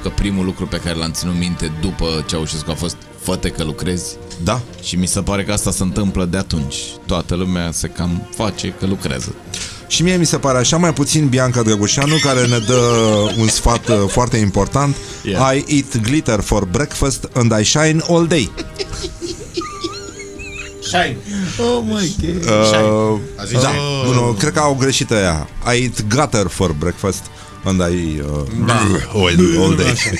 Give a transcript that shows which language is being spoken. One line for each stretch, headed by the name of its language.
Romanian: Că primul lucru pe care l-am ținut minte după Ceaușescu a fost: fă-te că lucrezi. Da. Și mi se pare că asta se întâmplă de atunci. Toată lumea se cam face că lucrează. Și mie mi se pare așa, mai puțin Bianca Drăgușanu, care ne dă un sfat foarte important.
English: Yeah. I eat glitter for breakfast and I shine all day. Shine. Oh my god. Shine.
Romanian: Da, nu, cred că au greșit aia.
English: I eat gutter for breakfast and I all day.